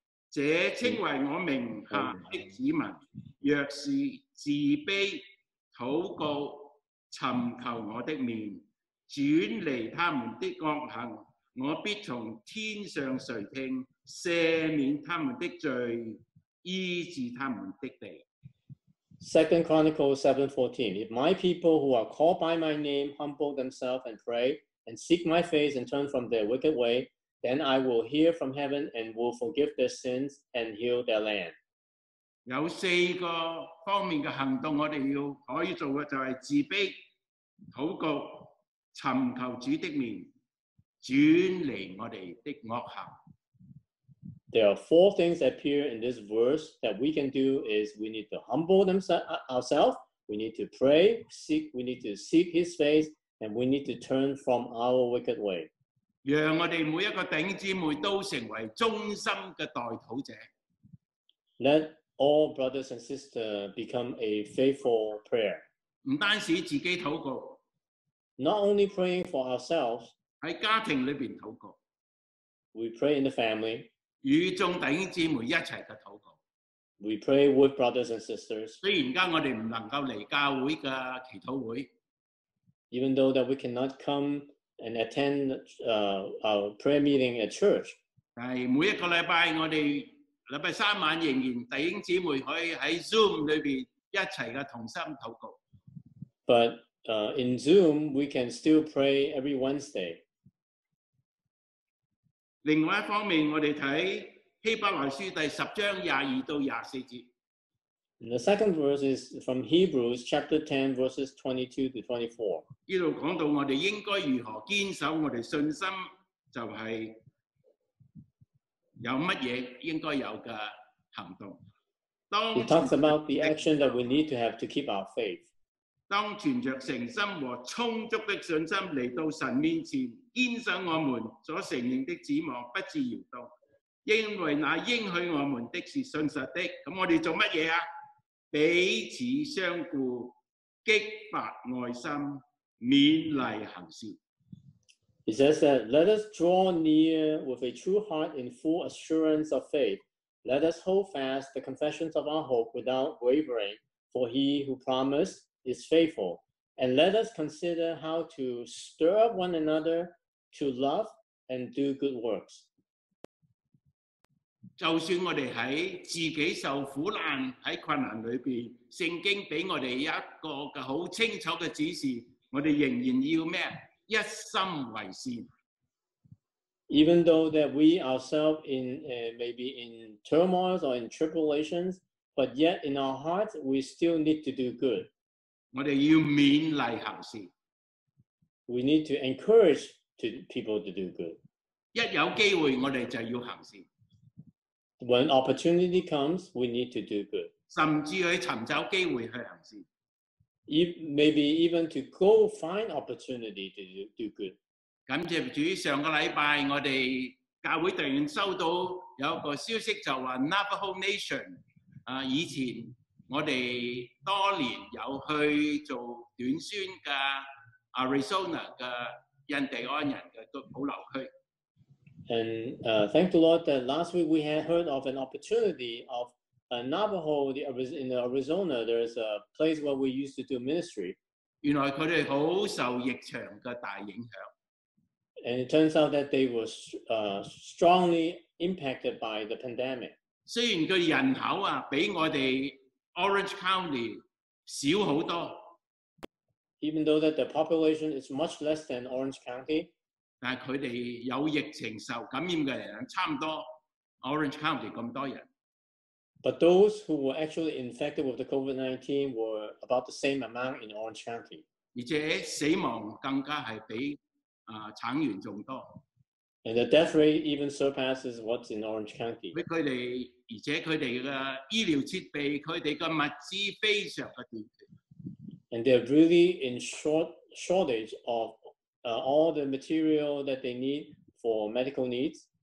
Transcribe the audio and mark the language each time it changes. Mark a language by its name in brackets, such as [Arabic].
[Chinese] 这称为我名下的子民，若是自卑、祷告、寻求我的面，转离他们的恶行，我必从天上垂听，赦免他们的罪，医治他们的地。 [English] 2 Chronicles 7:14 If my people who are called by my name humble themselves and pray and seek my face and turn from their wicked way, then I will hear from heaven and will forgive their sins and heal their land. [Chinese] 有四个方面的行动我们要可以做的，就是自卑、祷告、寻求主的面，转离我们的恶行。 [English] There are four things that appear in this verse that we can do is we need to humble ourselves, we need to pray, we need to seek his face, And we need to turn from our wicked way. [Chinese] 让我们每一个弟兄姊妹都成为忠心的代祷者。 [English] Let all brothers and sisters become a faithful prayer. [Chinese] 不单是自己祷告。 [English] Not only praying for ourselves. [Chinese] 在家庭里面祷告。 [English] We pray in the family. [Chinese] 与众弟兄姊妹一起的祷告。 [English] We pray with brothers and sisters. [Chinese] 虽然现在我们不能够来教会的祈祷会。 [English] Even though that we cannot come and attend our prayer meeting at church. [Chinese] 但是每一个礼拜我们礼拜三晚仍然弟兄姊妹可以在 Zoom 里面一起的同心祷告。 [English] But in Zoom, we can still pray every Wednesday. [Chinese] 另外一方面我们看希伯来书第十章二十二到二十四节。 [English] The second verse is from Hebrews chapter 10, verses 22 to 24. [Chinese] 这里讲到我们应该如何坚守我们信心，就是有什么应该有的行动。 [English] It talks about the action that we need to have to keep our faith. [Chinese] 当存着诚心和充足的信心来到神面前，坚守我们所承认的指望，不致摇动，因为那应许我们的是信实的。那我们做什么啊？彼此相顾，激发爱心，勉励行善。 [English] He says that let us draw near with a true heart in full assurance of faith. Let us hold fast the confessions of our hope without wavering, for he who promised is faithful. And let us consider how to stir up one another to love and do good works. [Chinese] 就算我们在自己受苦难，在困难里面，圣经给我们一个很清楚的指示，我们仍然要什么？一心为善。 [English] Even though that we ourselves in maybe in turmoils or in tribulations, but yet in our hearts we still need to do good. [Chinese] 我们要勉励行善。 [English] We need to encourage to people to do good. [Chinese] 一有机会我们就要行善。 [English] When opportunity comes, we need to do good. [Chinese] 甚至去寻找机会去行善。 [English] Maybe even to go find opportunity to do good. [Chinese] 感谢主，上个礼拜我们教会突然收到有一个消息，就说 Navajo Nation， 以前我们多年有去做短宣的 Arizona 的印第安人的保留区。 [English] And thank the Lord that last week we had heard of an opportunity of Navajo in Arizona. There is a place where we used to do ministry. [Chinese] 原来他们很受疫情的大影响。 [English] And it turns out that they were strongly impacted by the pandemic. [Chinese] 虽然他人口比我们 Orange County 少很多。 [English] Even though that the population is much less than Orange County, [Chinese] 但他们有疫情受感染的人差不多 Orange County 那么多人。 [English] But those who were actually infected with the COVID-19 were about the same amount in Orange County. [Chinese] 而且死亡更加是比橙园更多。 [English] And the death rate even surpasses what's in Orange County. [Chinese] 而且他们的医疗设备，他们的物资非常的短缺。 [English] And they're really in shortage of all the material that they need for medical needs.